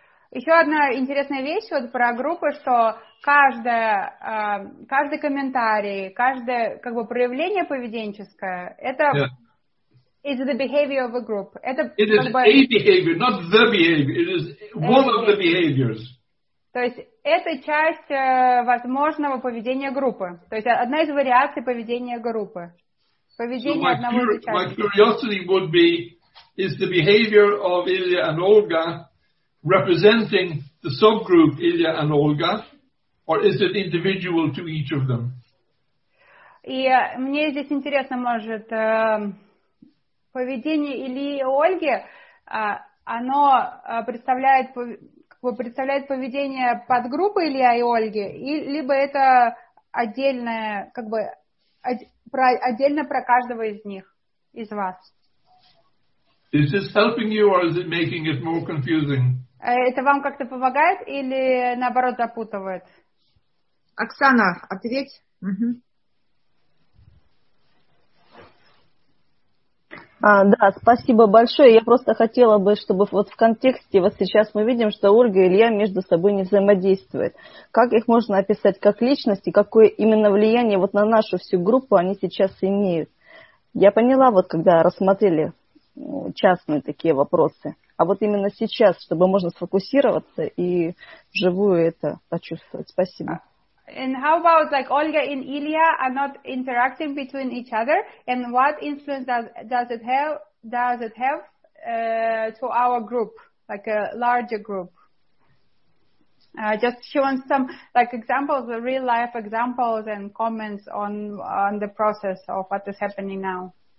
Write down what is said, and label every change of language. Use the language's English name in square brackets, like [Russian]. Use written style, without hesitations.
[Russian] Еще одна интересная вещь вот про группы, что каждая, каждый комментарий, каждое как бы проявление поведенческое, это [English] is the behavior of a group. [Russian] Это [English] it is [Russian] бы, [English] a behavior, not the behavior. It is one of the behaviors. [Russian] То есть это часть возможного поведения группы. То есть одна из вариаций поведения группы. Поведение [English] so [Russian] одного из участников. [English] My curiosity would be, is the behavior of Ilya and Olga representing the subgroup Ilya and Olga, or is it individual to each of them? [Russian] И мне здесь интересно, может, поведение Ильи и Ольги, оно представляет как бы представляет поведение подгруппы Илья и Ольги, и либо это отдельное, как бы отдельно про каждого из них, из вас. [English] Is this helping you or is it making it more confusing? [Russian] Это вам как-то помогает или наоборот запутывает? Оксана, ответь. Да, спасибо большое. Я просто хотела бы, чтобы вот в контексте, вот сейчас мы видим, что Ольга и Илья между собой не взаимодействуют. Как их можно описать как личности, какое именно влияние вот на нашу всю группу они сейчас имеют? Я поняла, вот когда рассмотрели частные такие вопросы. А вот именно сейчас, чтобы можно сфокусироваться и вживую это почувствовать. Спасибо. [English] And how about like Olga and Ilya are not interacting between each other, and what influence does it have to our group, like a larger group? Just she wants some like examples, real life examples and comments on the process of what is happening now.